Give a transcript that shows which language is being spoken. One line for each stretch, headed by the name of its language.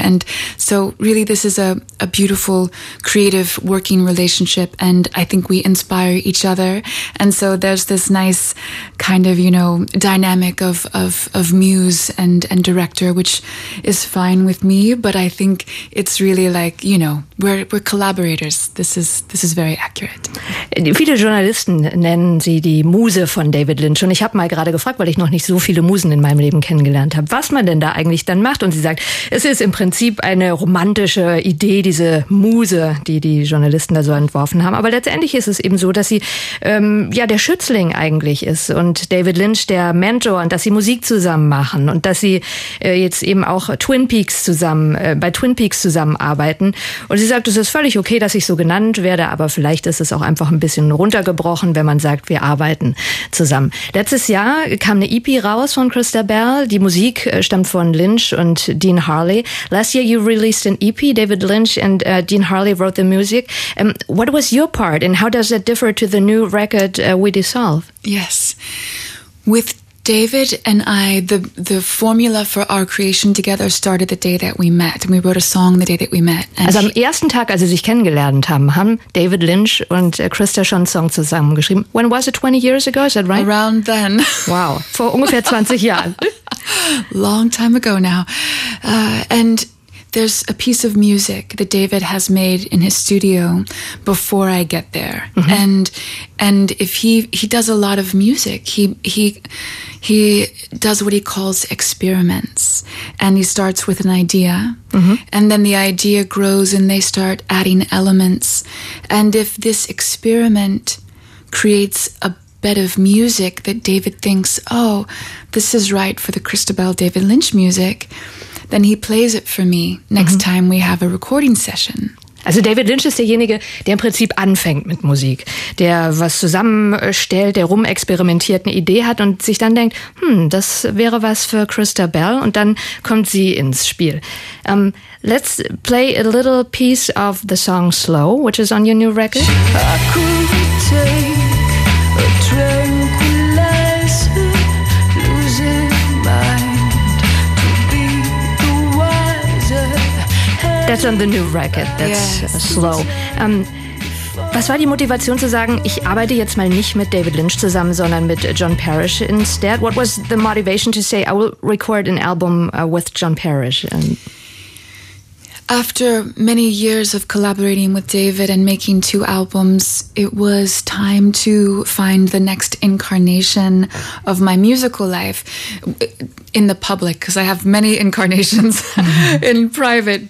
English: And so really this is a beautiful creative working relationship, and I think we inspire each other. And so there's this nice kind of, you know, dynamic of muse and director, which is fine with me, but I think it's really like, you know, we're collaborators. This is very accurate.
German: Viele Journalisten nennen sie die Muse von David Lynch. Und ich habe mal gerade gefragt, weil ich noch nicht so viele Musen in meinem Leben kennengelernt habe, was man denn da eigentlich dann macht. Und sie sagt, es ist im Prinzip eine romantische Idee, diese Muse, die die Journalisten da so entworfen haben. Aber letztendlich ist es eben so, dass sie der Schützling eigentlich ist und David Lynch der Mentor, und dass sie Musik zusammen machen und dass sie jetzt eben auch bei Twin Peaks zusammenarbeiten. Und sie sagt, es ist völlig okay, dass ich so genannt werde, aber vielleicht ist es auch einfach ein bisschen runtergebrochen, wenn man sagt, wir arbeiten zusammen. Letztes Jahr kam eine EP raus von Christa Bell. Die Musik stammt von Lynch und Dean Harley.
English: Last year you released an EP, David Lynch and Dean Harley wrote the music. What was your part and how does it differ to the new record We Dissolve? Yes, with David and I, the formula for our creation together started the day that we met. And we wrote a song the day that we met. And
German: also am ersten Tag, als sie sich kennengelernt haben, haben David Lynch und Christa schon einen Song zusammengeschrieben.
English: When was it? 20 years ago? Is that right? Around then.
German: Wow. Vor ungefähr 20 Jahren.
English: Long time ago now. And there's a piece of music that David has made in his studio before I get there. Mm-hmm. And if he does a lot of music, he does what he calls experiments. And he starts with an idea. Mm-hmm. And then the idea grows and they start adding elements. And if this experiment creates a bed of music that David thinks, oh, this is right for the Christa Bell David Lynch music, then he plays it for me next time we have a recording session.
German: Also David Lynch ist derjenige, der im Prinzip anfängt mit Musik, der was zusammenstellt, der rumexperimentiert, eine Idee hat und sich dann denkt, das wäre was für Christa Bell, und dann kommt sie ins Spiel.
English: Let's play a little piece of the song Slow, which is on your new record. That's on the new record, Slow.
German: Was war die Motivation zu sagen, ich arbeite jetzt mal nicht mit David Lynch zusammen, sondern mit John Parrish instead?
English: What was the motivation to say, I will record an album with John Parrish? After many years of collaborating with David and making two albums, it was time to find the next incarnation of my musical life in the public, because I have many incarnations in private.